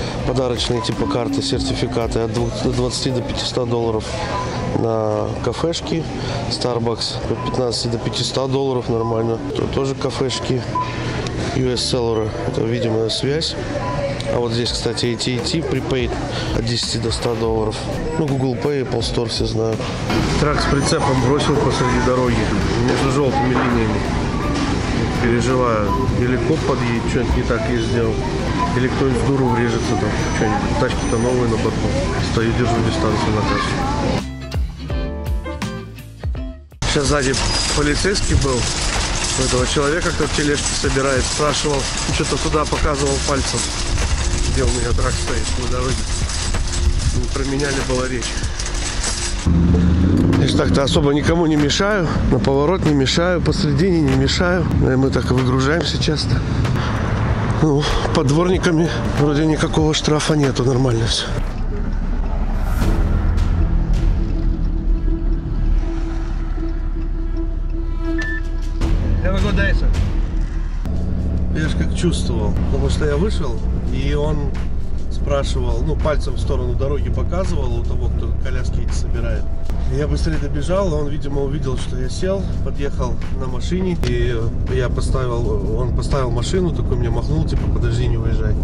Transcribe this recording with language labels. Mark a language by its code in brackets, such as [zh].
[ru] Подарочные типа карты, сертификаты от 20 до 500 долларов на кафешки. Starbucks от 15 до 500 долларов нормально. Тут тоже кафешки. US Cellular. Это, видимо, связь. А вот здесь, кстати, AT&T Prepaid от 10 до 100 долларов. Ну, Google Pay, Apple Store все знают. Трак с прицепом бросил посреди дороги между желтыми линиями. Переживаю. Или коп подъедет, что-нибудь не так ей сделал. Или кто-нибудь в дуру врежется там. Что-нибудь. Тачки-то новые на боку. Стою, держу дистанцию на трассе. Сейчас сзади полицейский был. У этого человека, кто в тележке собирает, спрашивал. Что-то туда показывал пальцем. Где у меня трак стоит на дороге. Не про меня ли была речь. Я же так-то особо никому не мешаю. На поворот не мешаю, посредине не мешаю. И мы так и выгружаемся часто. Ну, под дворниками вроде никакого штрафа нету, нормально все. [en] Have a good day, sir. [ru] Я же как чувствовал. Потому что я вышел, и он спрашивал, ну, пальцем в сторону дороги показывал у того, кто коляски эти собирает. Я быстрее добежал, он, видимо, увидел, что я сел, подъехал на машине, и я поставил, он поставил машину, такой мне махнул, типа, подожди, не уезжай.